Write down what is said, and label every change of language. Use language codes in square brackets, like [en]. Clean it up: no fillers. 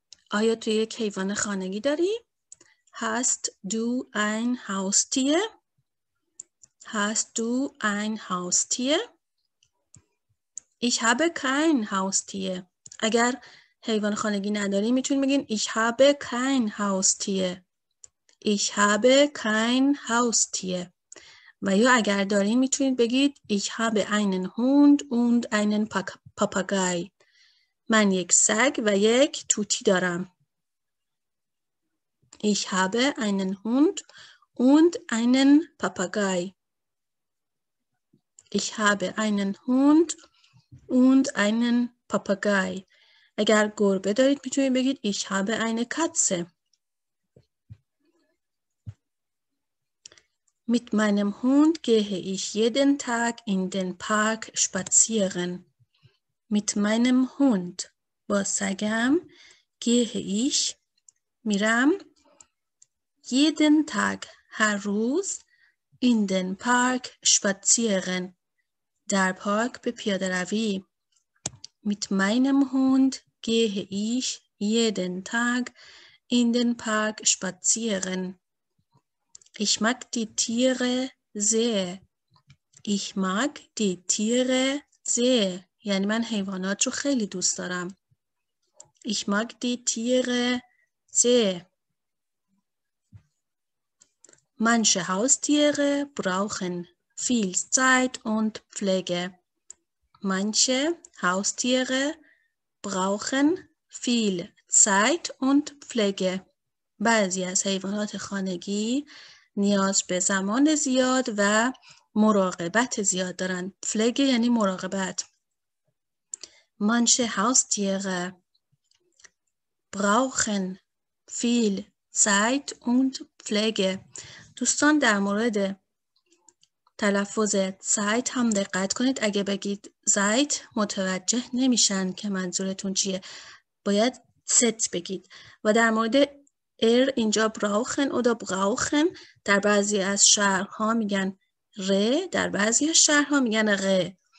[fa] آیا تو یک حیوان خانگی داری؟ [de] Hast du ein Haustier? Hast du ein Haustier? Ich habe kein Haustier. [fa] اگر حیوان خانگی نداری میتونی بگین [de] Ich habe kein Haustier. Ich habe kein Haustier. [fa] و یا اگر داری میتونید بگید [de] Ich habe einen Hund und einen Papagei. [fa] من یک سگ و یک توتی دارم. [de] Ich habe einen Hund und einen Papagei. Ich habe einen Hund und einen Papagei. [fa] اگر گربه دارید میتونید بگید [de] Ich habe eine Katze. Mit meinem Hund gehe ich jeden Tag in den Park spazieren. Mit meinem Hund. [fa] با سگم گهه ایش میرم [de] jeden Tag [fa] هر روز [de] in den Park spazieren [fa] در پارک به پیاده روی [de] mit meinem Hund gehe ich jeden Tag in den Park spazieren ich mag die Tiere sehr ich mag die Tiere sehr [fa] یعنی من حیوانات رو خیلی دوست دارم. [de] Ich mag die Tiere sehr. Manche Haustiere brauchen viel Zeit und Pflege. Manche Haustiere brauchen viel Zeit und Pflege. [fa] بعضی از حیوانات خانگی نیاز به زمان زیاد و مراقبت زیاد دارند. Pflege یعنی مراقبت. [de] Manche Haustiere brauchen viel Zeit und Pflege. [fa] دوستان در مورد تلفظ Zeit هم دقت کنید. اگه بگید Zeit متوجه نمیشن که منظورتون چیه. باید Zeit بگید. و در مورد اینجا [de] brauchen oder brauchen [fa] در بعضی از شهرها میگن ر در بعضی از شهرها میگن غ.